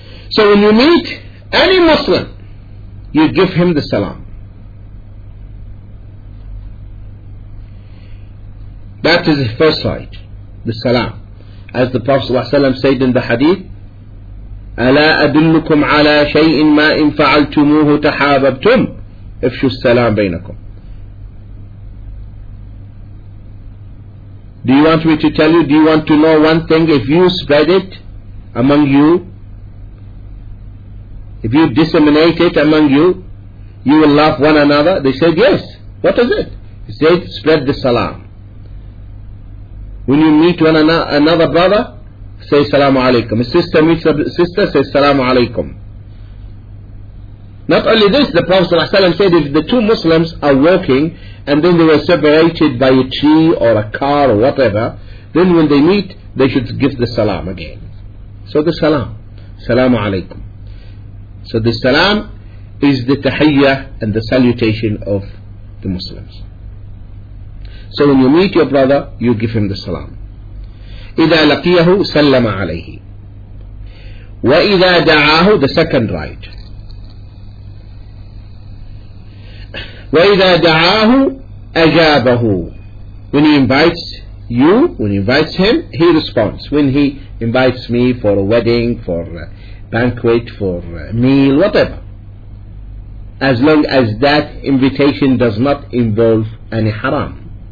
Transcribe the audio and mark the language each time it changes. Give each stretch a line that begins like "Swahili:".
English: So when you meet any Muslim, you give him the salam. That is the first right, the salam. As the Prophet ﷺ said in the hadith,
Arabic: أَلَا أَدُلُّكُمْ عَلَى شَيْءٍ مَا إِنْ فَعَلْتُمُوهُ تَحَابَبْتُمْ. افشوا السلام بينكم.
English: Do you want me to tell you? Do you want to know one thing? If you spread it among you, if you disseminate it among you, you will love one another. They said, yes. What is it? He said, spread the salam. When you meet one another brother, say salamu alaikum. A sister meets a sister, say salamu alaikum. Not only this, the Prophet ﷺ said, if the two Muslims are walking and then they were separated by a tree or a car or whatever, then when they meet, they should give the salam again. So the salam. Salamu alaikum. So the salam is the tahiyyah and the salutation of the Muslims. So when you meet your brother, you give him the salam.
Arabic: إِذَا لَقِيَهُ سَلَّمَ عَلَيْهِ وَإِذَا دَعَاهُ
English: The second right.
Arabic: وَإِذَا دَعَاهُ أَجَابَهُ
English: When he invites you, when he invites him, he responds. When he invites me for a wedding, for a banquet, for a meal, whatever. As long as that invitation does not involve any haram.